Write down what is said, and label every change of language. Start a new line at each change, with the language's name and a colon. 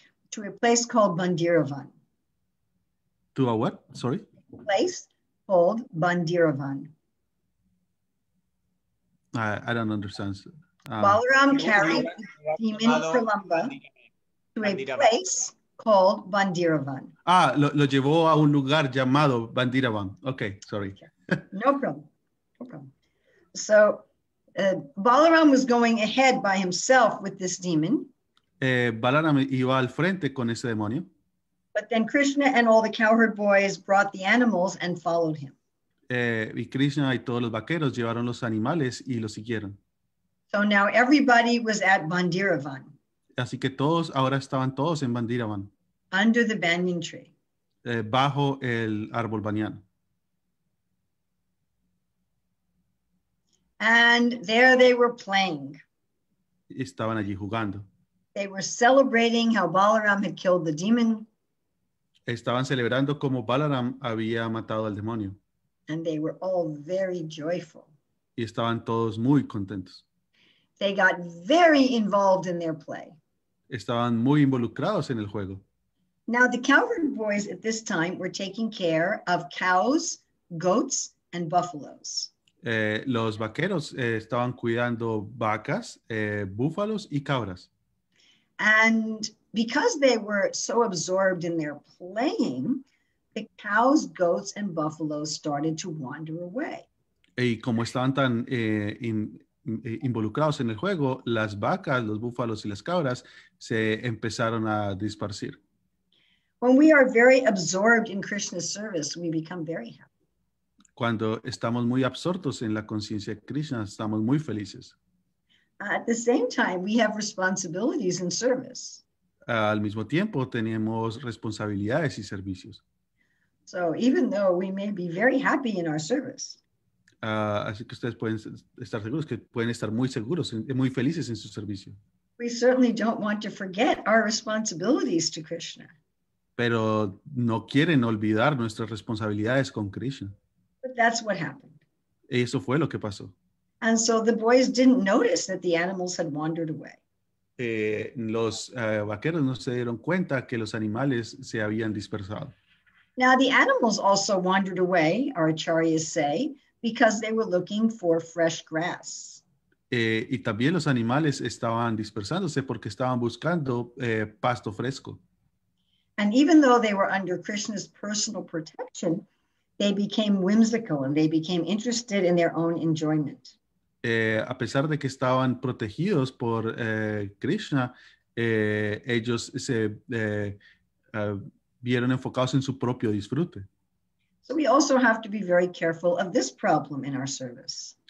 English: To a place called Bandiravan. To a what? Sorry? A place called Bandiravan. I don't understand. Balaram carried the demon Prolamba to a place called Bandiravan.
Spanish: Ah, lo llevó a un lugar llamado Bandiravan.
English: Okay, sorry. No problem. So, Balaram was going ahead by himself with this demon.
Spanish: Balaram iba al frente con ese demonio.
English: But then Krishna and all the cowherd boys brought the animals and followed him.
Spanish: Y Krishna y todos los vaqueros llevaron los animales y lo siguieron.
English: So now everybody was at Bandiravan.
Spanish: Así que todos, ahora estaban todos en Bandiravan.
English: Under the banyan tree.
Spanish: Bajo el árbol baniano.
English: And there they were playing.
Spanish: Estaban allí jugando.
English: They were celebrating how Balaram had killed the demon.
Spanish: Estaban celebrando cómo Balaram había matado al demonio.
English: And they were all very joyful.
Spanish: Y estaban todos muy contentos.
English: They got very involved in their play.
Spanish: Estaban muy involucrados en el juego.
English: Now the cowherd boys at this time were taking care of cows, goats, and buffaloes.
Spanish: Los vaqueros estaban cuidando vacas, búfalos y cabras.
English: And because they were so absorbed in their playing, the cows, goats, and buffaloes started to wander away.
Spanish: Y como estaban tan involucrados en el juego, las vacas, los búfalos y las cabras se empezaron a dispersir.
English: When we are very absorbed in Krishna's service, we become very happy.
Spanish: Cuando estamos muy absortos en la conciencia de Krishna, estamos muy felices.
English: At the same time, we have responsibilities and service.
Spanish: Al mismo tiempo, tenemos responsabilidades y servicios.
English: So even though we may be very happy in our service.
Spanish: Así que ustedes pueden estar seguros que pueden estar muy seguros y muy felices en su servicio.
English: We certainly don't want to forget our responsibilities to Krishna.
Spanish: Pero no quieren olvidar nuestras responsabilidades con Krishna.
English: That's what happened.
Spanish: Eso fue lo que pasó.
English: And so the boys didn't notice that the animals had wandered away.
Spanish: Los vaqueros no se dieron cuenta que los animales se habían dispersado.
English: Now the animals also wandered away, our acharyas say, because they were looking for fresh grass.
Spanish: Y también los animales estaban dispersándose porque estaban buscando pasto fresco.
English: And even though they were under Krishna's personal protection, they became whimsical and they became interested in their own enjoyment.
Spanish: A pesar de que estaban protegidos por Krishna, ellos se vieron enfocados en su propio disfrute.
English: So we also have to be very careful of this problem in our service.